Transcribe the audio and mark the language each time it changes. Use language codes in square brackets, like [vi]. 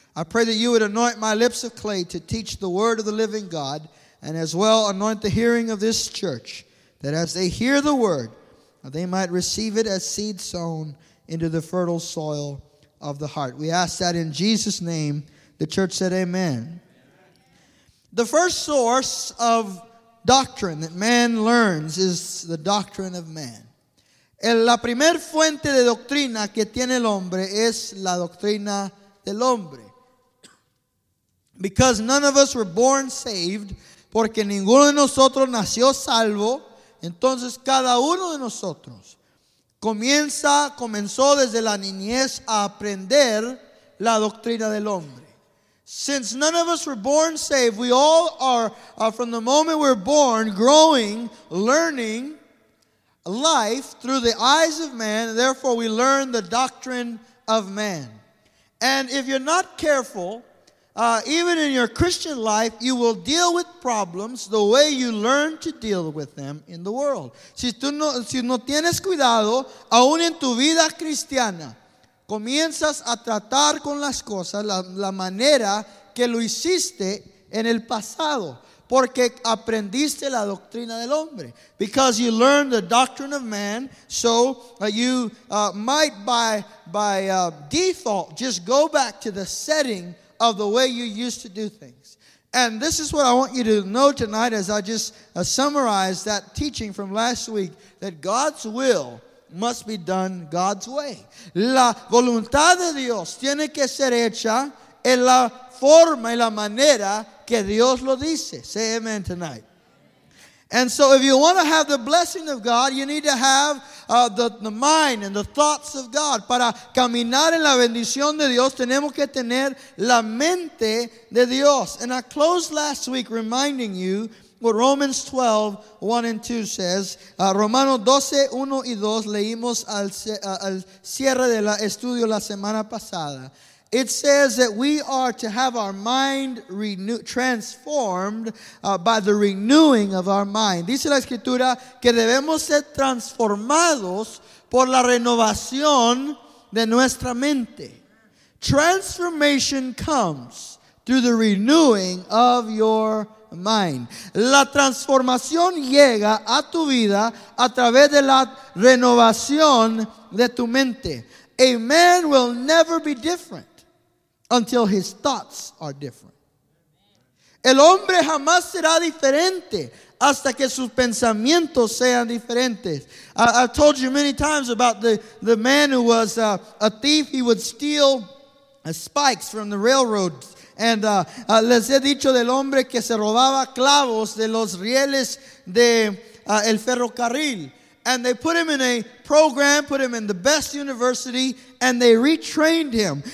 [en] I pray that you would anoint my lips of clay to teach the word of the living God, and as well anoint the hearing of this church, that as they hear the word, they might receive it as seed sown into the fertile soil of the heart. We ask that in Jesus' name. The church said amen. Amen. The first source of doctrine that man learns is the doctrine of man. [es] La primera fuente de doctrina que tiene el hombre es la doctrina del hombre. [en] Because none of us were born saved, [es] porque ninguno de nosotros nació salvo, entonces cada uno de nosotros comenzó desde la niñez a aprender la doctrina del hombre. [en] Since none of us were born saved, we all are from the moment we're born growing, learning life through the eyes of man, and therefore we learn the doctrine of man. And if you're not careful, even in your Christian life, you will deal with problems the way you learn to deal with them in the world. [es] Si tú no tienes cuidado, aún en tu vida cristiana, comienzas a tratar con las cosas la manera que lo hiciste en el pasado, porque aprendiste la doctrina del hombre. [en] Because you learned the doctrine of man, so you might by default just go back to the setting of the way you used to do things. And this is what I want you to know tonight as I just summarize that teaching from last week, that God's will must be done God's way. [es] La voluntad de Dios tiene que ser hecha en la forma y la manera que Dios lo dice. [en] Say amen tonight. And so if you want to have the blessing of God, you need to have the mind and the thoughts of God. [es] Para caminar en la bendición de Dios, tenemos que tener la mente de Dios. [en] And I closed last week reminding you what Romans 12, 1 and 2 says. [es] Romanos 12, 1 y 2, leímos al cierre de la estudio la semana pasada. [en] It says that we are to have our mind transformed by the renewing of our mind. [es] Dice la escritura que debemos ser transformados por la renovación de nuestra mente. [en] Transformation comes through the renewing of your mind. [es] La transformación llega a tu vida a través de la renovación de tu mente. [en] A man will never be different until his thoughts are different. [es] El hombre jamás será diferente hasta que sus pensamientos sean diferentes. [en] I've told you many times about the man who was a thief. He would steal spikes from the railroads. [es] And les he dicho del hombre que se robaba clavos de los rieles de el ferrocarril. [en] And they put him in a program, put him in the best university, and they retrained him.